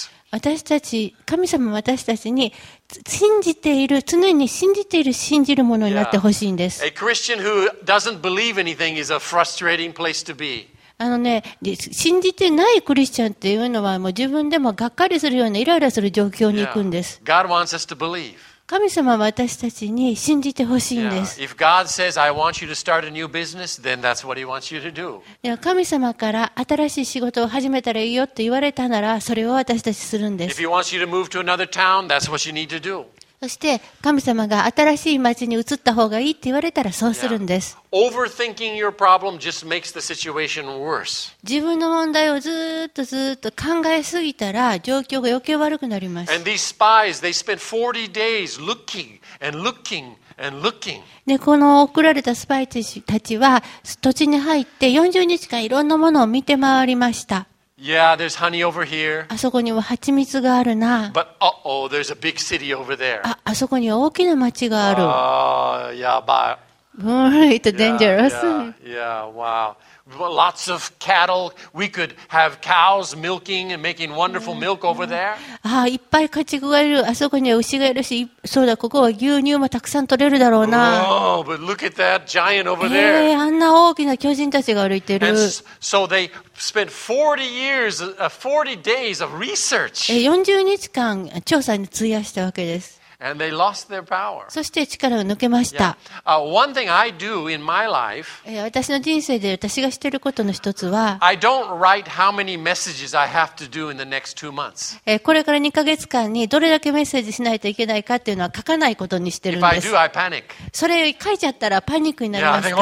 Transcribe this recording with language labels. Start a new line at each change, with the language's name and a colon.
Japanese: 私たち、神様は私たちに信じている、常に信じている、信じるものになってほしいんです。
English: A Christian who doesn't believe anything is a frustrating place to be.
Japanese: あのね、信じてないクリスチャンっていうのはもう自分でもがっかりするようなイライラする状況に行くんです。
English: Yeah. God wants us to believe.
Japanese: 神様は私たちに信じてほしいんです。
English: Yeah. If God says I want you to start a new business, then that's what He wants you to do.
Japanese: 神様から新しい仕事を始めたらいいよって言われたならそれを私たちするんです。
English: If He wants you to move to another town, that's what you need to do.
Japanese: そして神様が新しい町に移った方がいいって言われたらそうするんです。
English: Overthinking your problem just makes the situation worse.
Japanese: 自分の問題をずっとずっと考えすぎたら状況が余計悪くなります。
English: And these spies, they spent 40 days looking and looking. And looking.
Japanese: でこの送られたスパイたちは土地に入って40日間いろんなものを見て回りました。
English: Yeah, there's honey over here.
Japanese: あそこには蜂蜜があるな。
English: But uh-oh, there's a big city over there.
Japanese: あそこには大きな町がある。
English: Yeah, dangerous. Yeah, wow. Lots of cattle. We could have cows milking and making wonderful milk over there.
Japanese: ああ、いっぱい家畜がいる。あそこには牛がいるし、そうだ、ここは牛乳もたくさん取れるだろうな。
English: Oh, but look at that giant over there.
Japanese: あんな大きな巨人たちが歩いてる。
English: So they spent 40 days of research.
Japanese: 40日間調査に費やしたわけです。
English: And they lost their power.
Japanese: そして力を抜けました。
English: One thing I do in my life,
Japanese: 私の人生で私がしていることの一つは、
English: I don't write how many messages I have to do in the next two months.
Japanese: これから2ヶ月間にどれだけメッセージしないといけないかっていうのは書かないことにしてるんです。
English: If I do, I panic.
Japanese: それ書いちゃったらパニックになりますから。